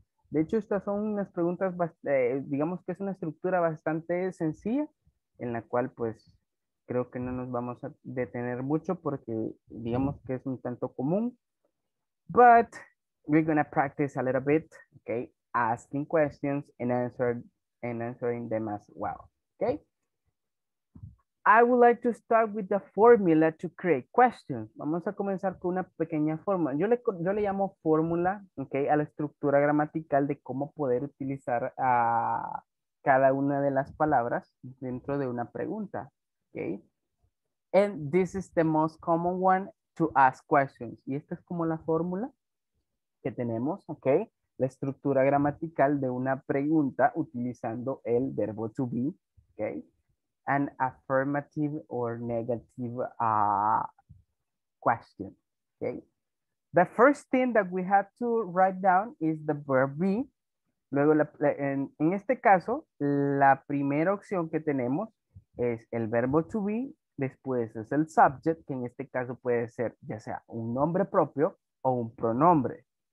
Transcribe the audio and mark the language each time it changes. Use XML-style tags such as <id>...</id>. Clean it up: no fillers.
<es>De hecho, estas son unas preguntas, digamos que es una estructura bastante sencilla, en la cual, pues, creo que no nos vamos a detener mucho porque digamos que es un tanto común.</es> <en>But we're going to practice a little bit, okay? Asking questions and answering them as well, okay? I would like to start with the formula to create questions.</en> <es>Vamos a comenzar con una pequeña forma. Yo le llamo fórmula, okay, a la estructura gramatical de cómo poder utilizar cada una de las palabras dentro de una pregunta. Okay.</es> <en>And this is the most common one to ask questions.</en> <es>Y esta es como la fórmula que tenemos, okay? La estructura gramatical de una pregunta utilizando el verbo to be, okay?</es> <en>An affirmative or negative question, okay? The first thing that we have to write down is the verb be.</en> <es>Luego, en este caso, la primera opción que tenemos es el verbo to be, después es el subject, que en este caso puede ser ya sea un nombre propio o un pronombre.</es>